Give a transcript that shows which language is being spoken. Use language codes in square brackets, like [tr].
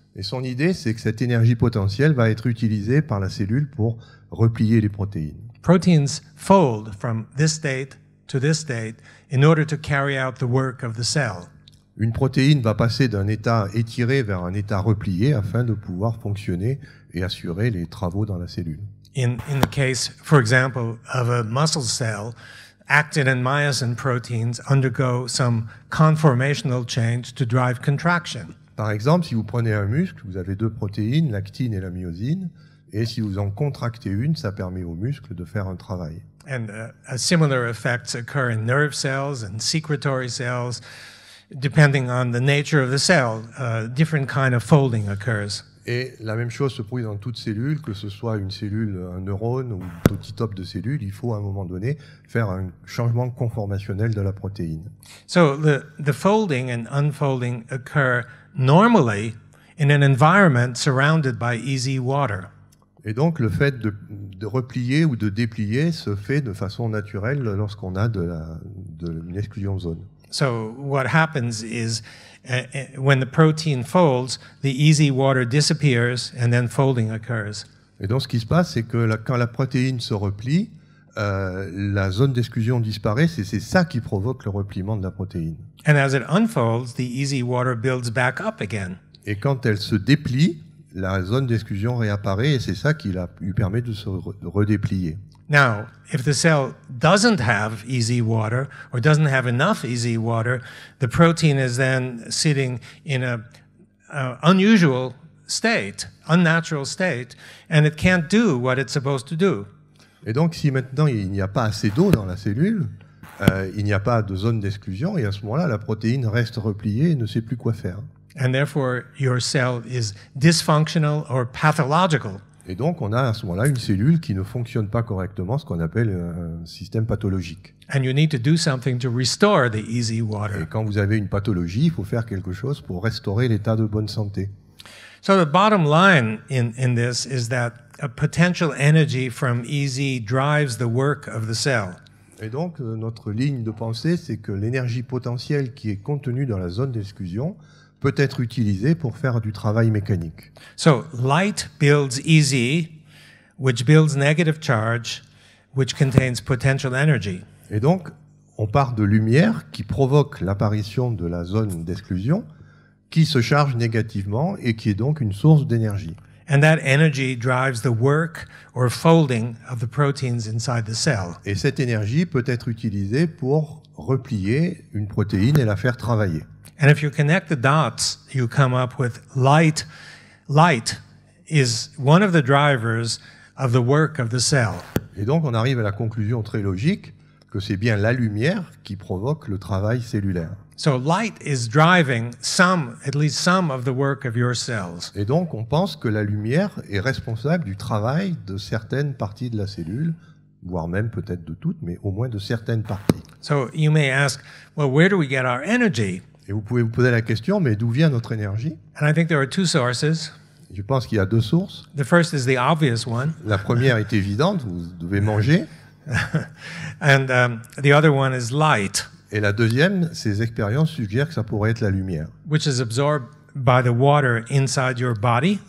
[fr] Et son idée, c'est que cette énergie potentielle va être utilisée par la cellule pour replier les protéines. [en] Proteins fold from this state to this state in order to carry out the work of the cell. [fr] Une protéine va passer d'un état étiré vers un état replié afin de pouvoir fonctionner et assurer les travaux dans la cellule. [en] In the case, for example, of a muscle cell, actin and myosin proteins undergo some conformational change to drive contraction. [fr] Par exemple, si vous prenez un muscle, vous avez deux protéines, l'actine et la myosine. Et si vous en contractez une, ça permet au muscle de faire un travail. [en] And a similar effects occur in nerve cells and secretory cells, depending on the nature of the cell. Different kind of folding occurs. [fr] Et la même chose se produit dans toute cellule, que ce soit une cellule, un neurone ou un petit top de cellule. Il faut à un moment donné faire un changement conformationnel de la protéine. [en] So the folding and unfolding occur normally in an environment surrounded by easy water. [fr] Et donc, le fait de replier ou de déplier se fait de façon naturelle lorsqu'on a une exclusion zone. [en] So, what happens is, when the protein folds, the easy water disappears and then folding occurs. [fr] Et donc, ce qui se passe, c'est que quand la protéine se replie, la zone d'exclusion disparaît, et c'est ça qui provoque le repliement de la protéine. [en] And as it unfolds, the easy water builds back up again. [fr] Et quand elle se déplie, la zone d'exclusion réapparaît et c'est ça qui lui permet de se redéplier. [en] Now, if the cell doesn't have easy water or doesn't have enough easy water, the protein is then sitting in an unusual state, unnatural state, and it can't do what it's supposed to do. [fr] Et donc, si maintenant il n'y a pas assez d'eau dans la cellule, il n'y a pas de zone d'exclusion et à ce moment-là, la protéine reste repliée et ne sait plus quoi faire. [en] And therefore, your cell is dysfunctional or pathological. [fr] Et donc, on a à ce moment-là une cellule qui ne fonctionne pas correctement, ce qu'on appelle un système pathologique. [en] And you need to do something to restore the easy water. [fr] Et quand vous avez une pathologie, il faut faire quelque chose pour restaurer l'état de bonne santé. [en] So the bottom line in this is that a potential energy from easy drives the work of the cell. [fr] Et donc, notre ligne de pensée, c'est que l'énergie potentielle qui est contenue dans la zone d'exclusion peut être utilisé pour faire du travail mécanique. [en] So light builds easy, which builds negative charge, which contains potential energy. [fr] Et donc, on part de lumière qui provoque l'apparition de la zone d'exclusion, qui se charge négativement et qui est donc une source d'énergie. [en] And that energy drives the work or folding of the proteins inside the cell. [fr] Et cette énergie peut être utilisée pour replier une protéine et la faire travailler. [en] And if you connect the dots, you come up with light. Light is one of the drivers of the work of the cell. [fr] Et donc, on arrive à la conclusion très logique que c'est bien la lumière qui provoque le travail cellulaire. [en] So light is driving some, at least some of the work of your cells. [fr] Et donc on pense que la lumière est responsable du travail de certaines parties de la cellule, voire même peut-être de toutes, mais au moins de certaines parties. [en] So you may ask, well, where do we get our energy? [fr] Et vous pouvez vous poser la question, mais d'où vient notre énergie? [en] And I think there are two sources. [fr] Je pense qu'il y a deux sources. [en] The first is the obvious one. [fr] La première est évidente, vous devez manger. [en] And the other one is light. [fr] Et la deuxième, ces expériences suggèrent que ça pourrait être la lumière. [en] Which is absorbed by the water inside your body.